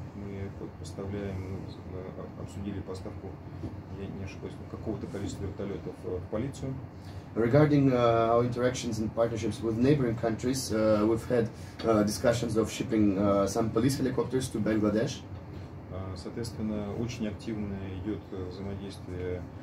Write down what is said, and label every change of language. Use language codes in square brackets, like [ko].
[ru] Мы поставляем, обсудили поставку, я не ошибаюсь, какого-то количества вертолетов в полицию. [en] Regarding our interactions and partnerships with neighboring countries, we've had discussions of shipping some police helicopters to Bangladesh. [ru] Соответственно, очень активно идет взаимодействие